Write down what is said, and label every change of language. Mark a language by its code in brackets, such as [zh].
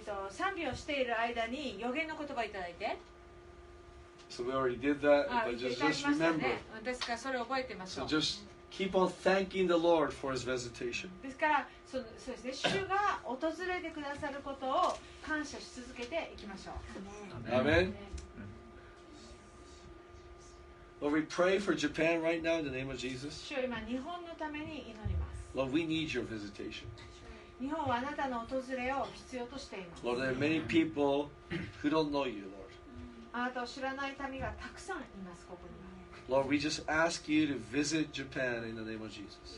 [ja] 賛美をしている間に予言の言葉をいただいて。 [en] So we already did that, but just remember. [ja] ですからそれを覚えてみましょう。 [en] So just keep on thanking the Lord for his visitation. [ja] ですから、そうですね、主が訪れてくださることを感謝し続けていきましょう。 [en] Amen. Lord, we pray for Japan right now in the name of Jesus. [ja] 主は今、日本のために祈ります。 [en] Lord, we need your visitation. [ja] 日本はあなたの訪れを必要としています。 [en] Lord, there are many people who don't know you, Lord. [ja] あなたを知らない民がたくさんいます、ここに。 [en] Lord, we just ask you to visit Japan in the name of Jesus.